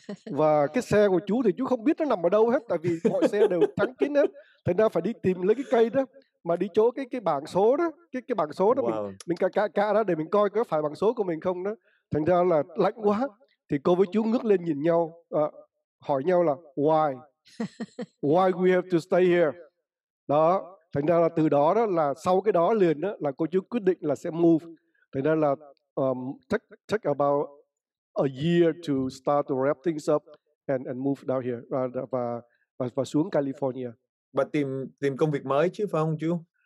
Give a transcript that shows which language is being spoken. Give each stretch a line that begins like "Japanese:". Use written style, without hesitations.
Vietnamese: Và cái xe của chú thì chú không biết nó nằm ở đâu hết. Tại vì mọi xe đều trắng kín hết. Thành ra phải đi tìm lấy cái cây đó. Mà đi chỗ cái bảng số đó. Cái bảng số đó mình cả đó để mình coi có phải bảng số của mình không đó. Thành ra là lạnh quá. Thì cô với chú ngước lên nhìn nhau. Hỏi nhau là
English: why we have to stay here.
Vietnamese: Đó, thành ra là từ đó đó là sau cái đó liền đó là cô chú quyết định là sẽ move. Thành ra là
English: take about a year to start to wrap things up and move down here
Vietnamese: và xuống
English: California.
Vietnamese: Và tìm công việc mới chứ phải không chú?